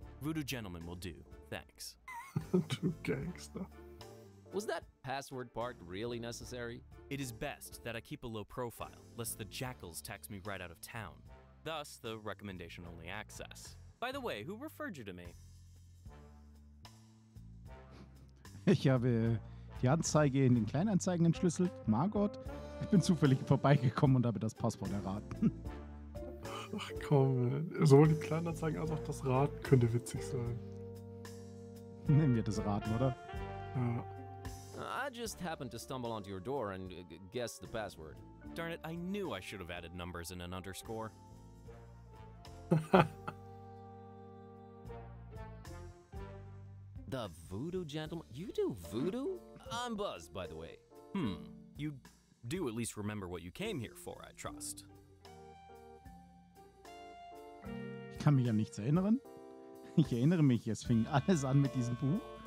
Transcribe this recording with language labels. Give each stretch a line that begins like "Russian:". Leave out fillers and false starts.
English: Voodoo Gentleman will do. Thanks. Too gangster. Was that password part really necessary? It is best that I keep a low profile, lest the jackals text me right out of town. Thus, the recommendation only access. By the way, who referred you to me?
German: Ich habe die Anzeige in den Kleinanzeigen entschlüsselt. Margot, ich bin zufällig vorbeigekommen und habe das Passwort erraten. Ach komm, sowohl die Kleinanzeigen als auch das Raten könnte witzig sein. Nehmen wir das Raten, oder? Ja.
English: I just happened to stumble onto your door and guess the password. Darn it, I knew I should have added numbers in an underscore. The voodoo gentleman? You do voodoo? I'm buzzed, by the way. Hmm. You do at least remember what you came here for, I trust.
German: Ich kann mich an nichts erinnern. Ich erinnere mich, es fing alles an mit diesem Buch.